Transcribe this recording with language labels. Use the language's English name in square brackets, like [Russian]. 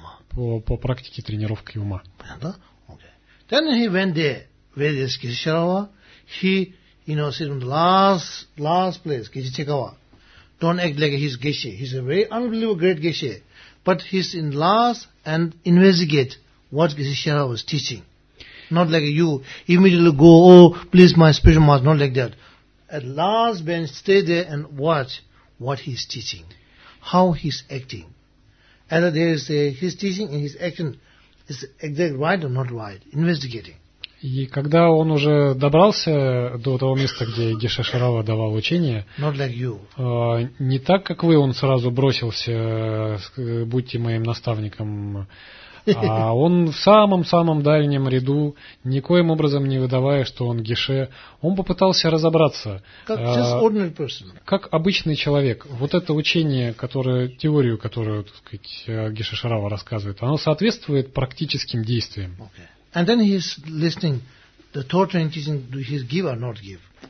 [Russian] По практике тренировки ума. Понятно? Okay. [English] Then he went there, where is Geshe Sharawa. He, you know, sit in the last place, Geshe Chekawa. Don't act like he's Geshe. He's a very unbelievable great Geshe. But he's in last and investigate what Geshe Sharawa was teaching. Not like you immediately go, oh, please, my spiritual master. Not like that. At last, then stay there and watch what he's teaching, how he's acting. And there is his teaching and his action is exactly right or not right. Investigating. [Russian] И когда он уже добрался до того места, где Геше Шарава давал учение, [English] not like you. [Russian] Не так, как вы, он сразу бросился, будьте моим наставником. А он в самом-самом дальнем ряду, никоим образом не выдавая, что он Геше, он попытался разобраться. Как обычный человек. Вот это учение, теорию, которую, так сказать, Геше Шарава рассказывает, оно соответствует практическим действиям. [English] Okay. And then he's listening the torturing teaching, do he give or not give?